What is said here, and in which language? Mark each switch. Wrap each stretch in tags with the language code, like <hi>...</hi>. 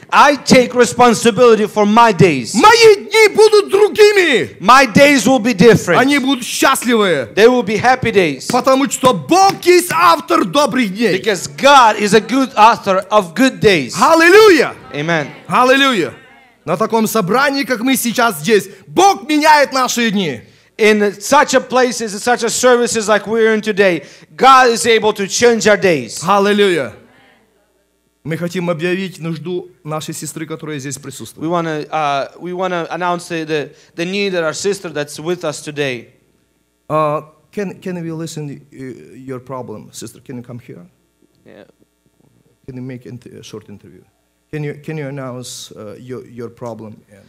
<en>I take responsibility for my days.</en> <ru>Мои дни будут другими.</ru> <en>My days will be different.</en> <ru>Они будут счастливые.</ru> <en>They will be happy days.</en> <ru>Потому что Бог есть автор добрых дней.</ru> <en>Because God is a good author of good days. Hallelujah. Amen. Hallelujah.</en> <ru>На таком собрании, как мы сейчас здесь, Бог меняет наши дни.</ru> <en>In such a places, in such a services like we're in today, God is able to change our days. Hallelujah.</en> <ru>Мы хотим объявить нужду нашей сестры, которая здесь присутствует.</ru> <en>We wanna announce the need that our sister that's with us today. Can we listen to your problem, sister? Can you come here? Yeah. Can you make a short interview? Can you announce your problem?</en>